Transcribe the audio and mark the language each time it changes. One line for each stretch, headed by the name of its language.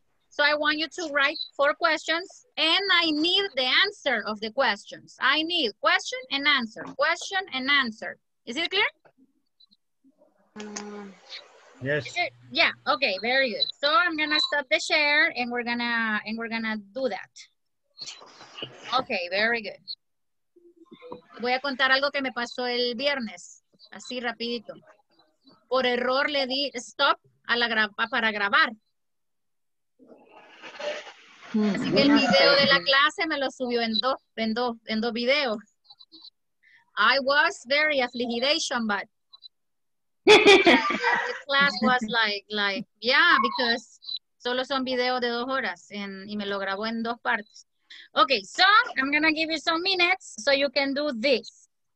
English: So I want you to write four questions and I need the answer of the questions. I need question and answer, question and answer. Is it clear? Yes. Yeah, okay, very good. So I'm gonna stop the share and we're gonna do that. Okay, very good.
Spanish: Voy a contar algo que me pasó el viernes, así rapidito. Por error le di stop a la para grabar. Así que el video de la clase me lo subió en dos videos.
English: I was very affligidation, but the class was like yeah, because
Spanish: solo son videos de dos horas y me lo grabó en dos partes.
English: Okay, so I'm gonna give you some minutes so you can do this.